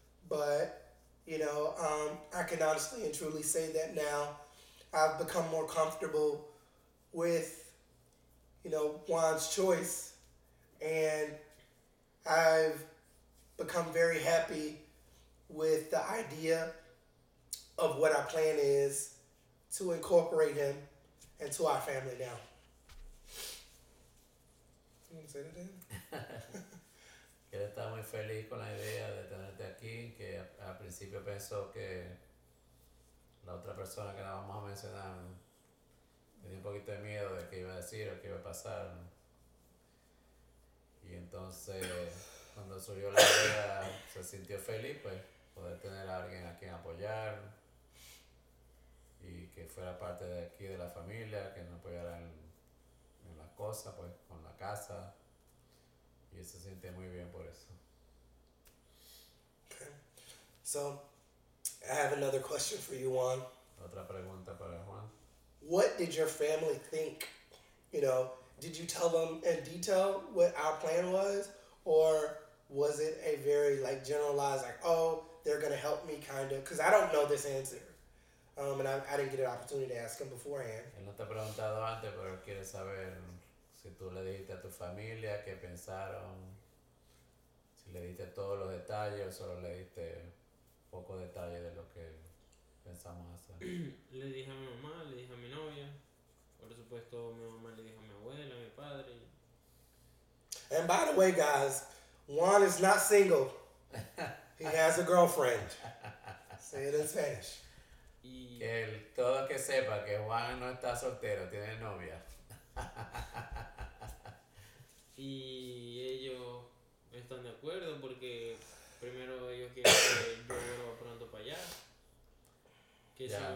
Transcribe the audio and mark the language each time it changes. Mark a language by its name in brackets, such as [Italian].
[English] But, you know, I can honestly and truly say that now I've become more comfortable with, you know, Juan's choice. And I've become very happy with the idea of what our plan is to incorporate him into our family now. [Spanish] Que él estaba muy feliz con la idea de tenerte aquí, que al principio pensó que la otra persona que la vamos a mencionar tenía un poquito de miedo de qué iba a decir o qué iba a pasar, ¿no? Y entonces cuando surgió la idea se sintió feliz, pues, poder tener a alguien a quien apoyar y que fuera parte de aquí de la familia, que nos apoyara en las cosas, pues, con la casa. Y se siente muy bien por eso. [English] Okay. So, I have another question for you, Juan. [Spanish] Otra pregunta para Juan. [English] What did your family think? You know, did you tell them in detail what our plan was? Or was it a very, like, generalized, like, oh, they're going to help me, kind of? Because I don't know this answer. And I didn't get an opportunity to ask him beforehand. [Spanish] Él no te ha preguntado antes, pero quiere saber... Si tú le dijiste a tu familia qué pensaron, si le diste todos los detalles o solo le diste poco detalle de lo que pensamos hacer. Le dije a mi mamá, le dije a mi novia, por supuesto mi mamá le dijo a mi abuela, a mi padre. [English] And by the way, guys, Juan is not single. He has a girlfriend. Say it in Spanish. [Spanish] Y... Que el, todo que sepa que Juan no está soltero, tiene novia. Y ellos están de acuerdo porque primero ellos quieren que yo vuelva pronto para allá, que yeah.